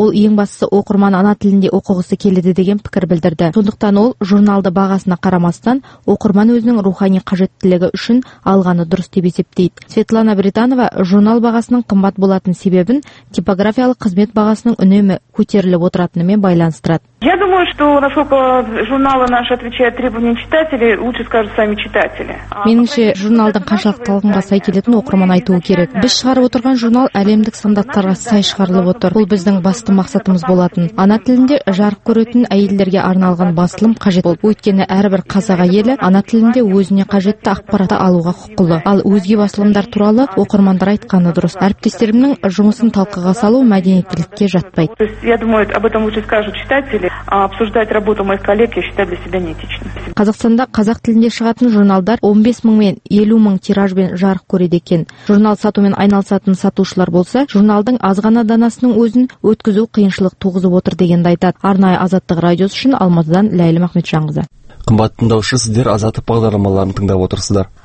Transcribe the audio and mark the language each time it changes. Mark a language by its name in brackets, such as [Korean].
[Kazakh] Ол ең бастысы оқырман ана тілінде оқығысы келеді деген пікір білдірді. Сондықтан ол журналды бағасына қарамастан, оқырман өзінің рухани қажеттілігі үшін алғаны дұрыс деп есептейді. Светлана Британова журнал бағасының қымбат болатын себебін типографиялық қызмет бағасының үнемі көтеріліп отыратынымен байланыстырады. [Russian] Я думаю, что насколько журналы наши отвечают требованиям читателей, лучше скажут сами читатели. [Kazakh] Меніңше, журналдың қаншалықты талғамға сай келетін оқырман айтуы керек. Біз шығарып отырған журнал әлемдік стандарттарға сай шығарылып отыр. Бұл біздің басты мақсатымыз болатын. Ана тілінде жарық көретін әйелдерге арналған басылым қажет болды. Өйткені әрбір қазақ әйелі ана тілінде өзіне қажетті ақпаратты алуға құқылы. Ал өзге басылымдар туралы оқырмандар айтқаны дұрыс. Әріптестерімнің жұмысын талқыға салу мәдениеттілікке жатпайды. [Russian] Я думаю, об этом лучше скажут читатели. Обсуждать работу моих коллег я считаю для себя неэтично. [Kazakh] Қазақстанда қазақ тілінде шығатын журналдар 15 мың мен 50 мың тиражбен жарық көреді екен. Журнал сатумен айналысатын сатушылар болса, журналдың азғана данасының өзін өткізу қиыншылық туғызып отыр дегенді айтады. Арнайы Азаттық радиосы үшін Алматыдан Ләйлі Махметжанқызы. Қымбатты тыңдаушы, сіздер Азаттық бағдарламаларын тыңдап отырсыздар.